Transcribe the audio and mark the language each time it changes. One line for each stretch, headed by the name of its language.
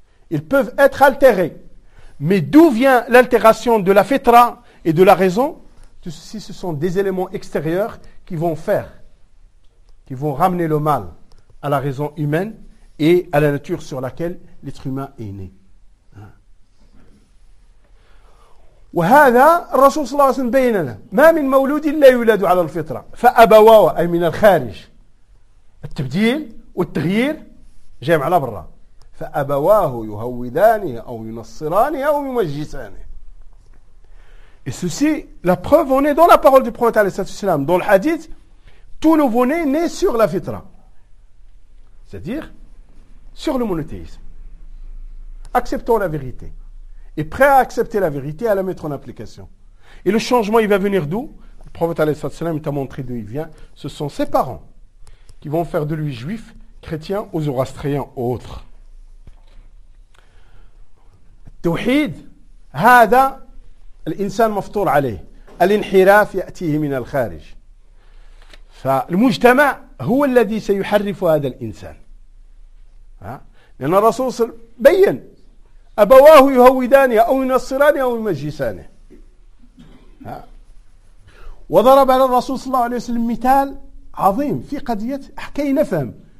French: Ils peuvent être altérés. Mais d'où vient l'altération de la fitra et de la raison? Tout ceci, ce sont des éléments extérieurs qui vont faire, qui vont ramener le mal à la raison humaine et à la nature sur laquelle l'être humain est né.
Arabic: وهذا الرسول صلى الله عليه وسلم بين لنا ما من مولود الا يولد على الفطره فابواه اي من الخارج التبديل والتغيير جاي من على برا فابواه يهودانه او ينصرانه او يمجسانه
French: et ceci la preuve on est dans la parole du prophète
Arabic: عليه الصلاه والسلام
French: dans le hadith tout nouveau-né naît sur la fitra. C'est-à-dire sur le monothéisme. Acceptons la vérité. Et prêt à accepter la vérité, à la mettre en application. Et le changement, il va venir d'où? Le prophète, alayhi salatu wassalam, il t'a montré d'où il vient. Ce sont ses parents qui vont faire de lui juif, chrétien, ou zoroastrien, ou autre.
Arabic: توحيد هذا الإنسان مفطور عليه. الانحراف يأتيه من الخارج، فالمجتمع هو الذي سيحرف هذا الإنسان. لأن الرسول صلى الله عليه وسلم بيّن أبواه يهودانه أو ينصرانه أو يمجسانه، وضرب على الرسول صلى الله عليه وسلم مثال عظيم في قضية حكي نفهم.